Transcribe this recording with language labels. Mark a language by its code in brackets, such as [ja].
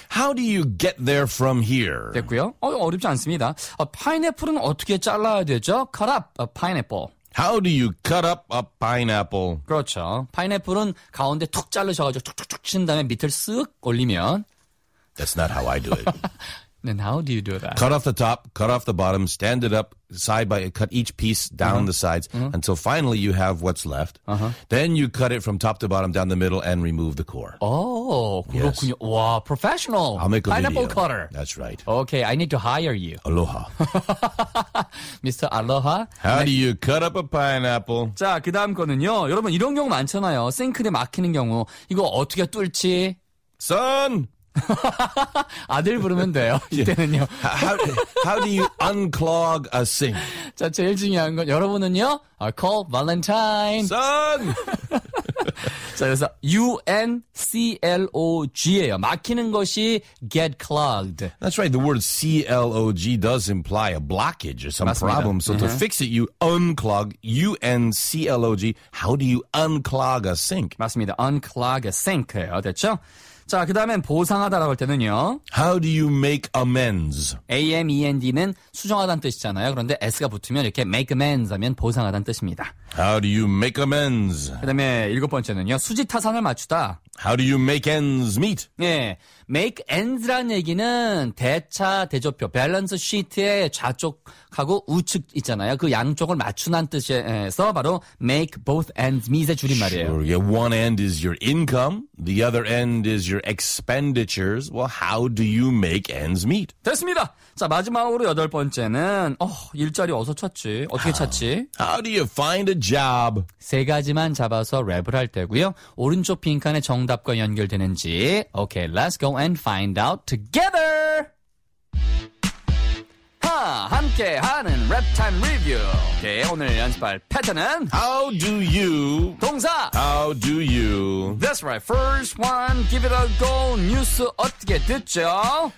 [en] How do you get there from here? [ko] 됐고요. 어렵지 않습니다. 파인애플은 어떻게 잘라야 되죠? [en] Cut up a pineapple. How do you cut up a pineapple? [ko] 그렇죠. 파인애플은 가운데 툭 자르셔가지고 툭툭툭 친 다음에 밑을 쓱 올리면. [en] That's not how I do it. Then how do you do that? Cut off the top, cut off the bottom, stand it up side by cut each piece down uh-huh. the sides uh-huh. until finally you have what's left. Uh-huh. Then you cut it from top to bottom down the middle and remove the core. Oh, [ko] 그렇군요. [en] Yes. Wow, professional. I'll make a pineapple video. Cutter. That's right. Okay, I need to hire you. Aloha. Mr. Aloha. How do you cut up a pineapple? [ko] 자, 그다음 거는요. 여러분 이런 경우 많잖아요. 싱크대 막히는 경우 이거 어떻게 뚫지? [en] Son. [ko] 아들 부르면 돼요. 이때는요. [en] how do you unclog a sink? [ko] 자, 제일 중요한 건 여러분은요. [en] Call Valentine. Son. [ko] 자, 그래서 UNCLOG예요. 막히는 것이 [en] get clogged. That's right. The word CLOG does imply a blockage or some [ko] 맞습니다. [en] problem. So uh-huh. to fix it, you unclog. UNCLOG. How do you unclog a sink? [ko] 맞습니다. [en] Unclog a sink. [ko] 됐죠? 자, 그 다음엔 보상하다라고 할 때는요. [en] How do you make amends? [ko] A-M-E-N-D는 수정하다는 뜻이잖아요. 그런데 S가 붙으면 이렇게 [en] make amends [ko] 하면 보상하다는 뜻입니다. [en] How do you make amends? [ko] 그 다음에 일곱 번째는요. 수지타산을 맞추다. [en] How do you make ends meet? [ko] 네, [en] make ends [ko] 라는 얘기는 대차, 대조표, 밸런스 시트의 좌측하고 우측 있잖아요. 그 양쪽을 맞추는 뜻에서 바로 [en] make both ends meet [ko] 의 줄임말이에요. [en] Sure, yeah. One end is your income, the other end is your expenditures. Well, how do you make ends meet? [ko] 됐습니다. 자, 마지막으로 여덟 번째는 일자리 어디서 찾지? 어떻게 찾지? [en] How do you find a job? [ko] 세 가지만 잡아서 랩을 할 때고요. 오른쪽 빈칸에 정답과 연결되는지. [en] Okay, let's go and find out together. [ko] 함께하는 랩타임 리뷰. 네, 오늘 연습할 패턴은 [en] How do you [ko] 동사 [en] How do you That's right. First one, give it a go. [ko] 뉴스 어떻게 듣죠?